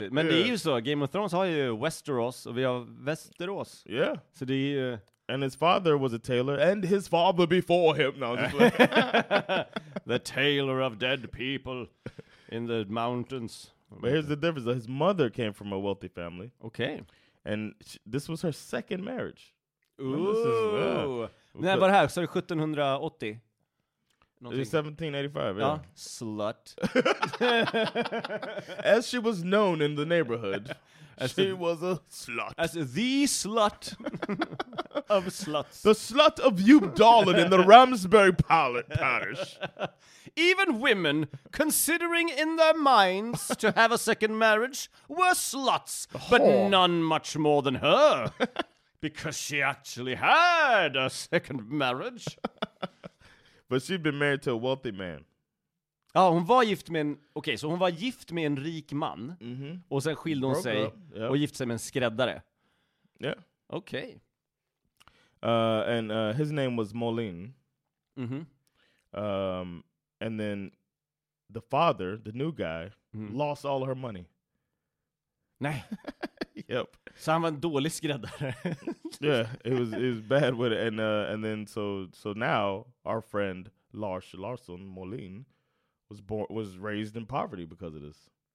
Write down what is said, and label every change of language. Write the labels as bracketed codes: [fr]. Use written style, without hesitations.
[sv] Men yeah. Det är ju så, Game of Thrones har ju Westeros och vi har Västerås. [en] Yeah. [sv] Så det är ju... [en] And his father was a tailor and his father before him. No, just like... The tailor of dead people in the mountains. But here's the difference. His mother came from a wealthy family. Okay. And this was her second marriage. [sv] Ooh. Nej, bara här, så är det 1780. [en] Någonting. It was 1785, yeah. Slut. As she was known in the neighborhood, was a slut. As the slut of sluts. The slut of Djupdalen in the Ramsbury parish. Even women considering in their minds to have a second marriage were sluts, but none much more than her, because she actually had a second marriage. But she'd been married to a wealthy man. [sv] Ja, hon var gift med en... Okej, så hon var gift med en rik man. Mm-hmm. Och sen skilde hon sig. Yep. Och gift sig med en skräddare. [en] Yeah. [sv] Okej. [en] And his name was Moline. Mm-hmm. And then the father, the new guy, mm-hmm. lost all her money. [sv] Nej. [en] Yep. [sv] Så han var en dålig skräddare. [en] Yeah, it was bad with it. And then so now our friend Lars Larsson Moline was raised in poverty because of this.